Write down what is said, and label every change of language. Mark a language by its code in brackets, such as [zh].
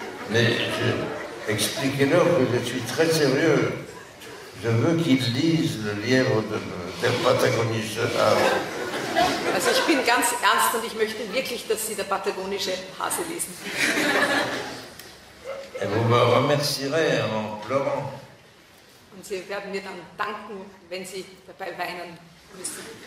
[fr] Mais expliquez-leur que je suis très sérieux. Je veux qu'ils lisent le lièvre de Patagonische Hase. [de] Also ich bin ganz ernst und ich möchte wirklich, dass Sie der Patagonische Hase lesen. [fr] Et vous me remercierez en pleurant. [de] Und Sie werden mir dann danken, wenn Sie dabei weinen müssen.